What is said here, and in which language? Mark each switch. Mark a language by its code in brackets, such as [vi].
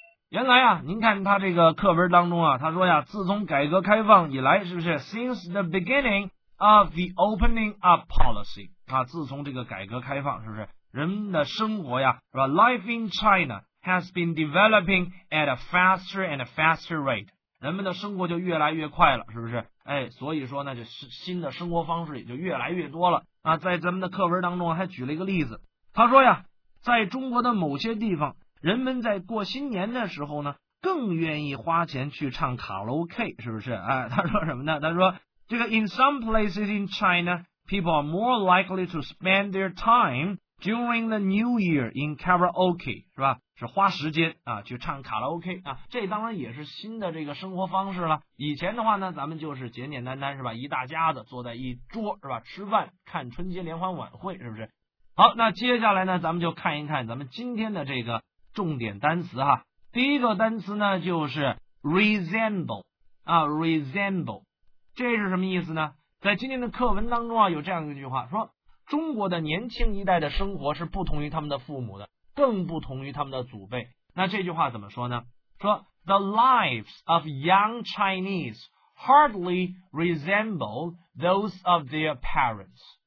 [zh] 原来啊，您看他这个课文当中啊，他说呀，自从改革开放以来，是不是 ？ [en] Since the beginning of the opening up policy， [zh] 啊，自从这个改革开放，是不是？人们的生活呀，是吧 [en] ？Life in China has been developing at a faster and faster rate. [zh] 人们的生活就越来越快了，是不是？哎，所以说呢，就新的生活方式也就越来越多了啊。在咱们的课文当中还举了一个例子，他说呀，在中国的某些地方，人们在过新年的时候呢，更愿意花钱去唱卡拉 OK， 是不是？哎，他说什么呢？他说这个 [en] In some places in China, people are more likely to spend their time during the New Year in karaoke， [zh] 是吧？是花时间啊，去唱卡拉 OK 啊，这当然也是新的这个生活方式了。以前的话呢，咱们就是简简单单是吧，一大家子坐在一桌是吧，吃饭看春节联欢晚会，是不是？好，那接下来呢，咱们就看一看咱们今天的这个重点单词哈。第一个单词呢就是 resemble 啊 ，resemble， 这是什么意思呢？在今天的课文当中啊，有这样一句话说，中国的年轻一代的生活是不同于他们的父母的。更不同于他们的祖辈。那这句话怎么说呢？ [en] 说 The lives of young Chinese hardly resemble those of their parents。